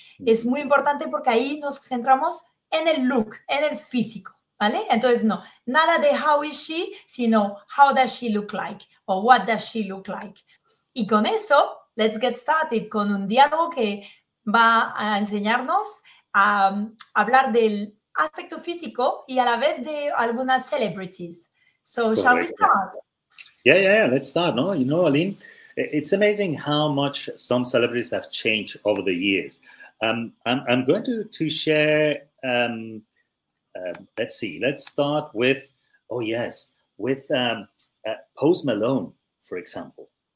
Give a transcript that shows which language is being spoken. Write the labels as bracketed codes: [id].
[es] Es muy importante porque ahí nos centramos en el look, en el físico, ¿vale? Entonces, no, nada de [en] how is she, [es] sino [en] how does she look like or what does she look like? [es] Y con eso, [en] let's get started [es] con un diálogo que va a enseñarnos a hablar del aspecto físico y a la vez de algunas celebrities. [en] So, shall we start? Yeah, let's start, no? You know, Aline, it's amazing how much some celebrities have changed over the years. I'm going to share, let's start with Post Malone, for example.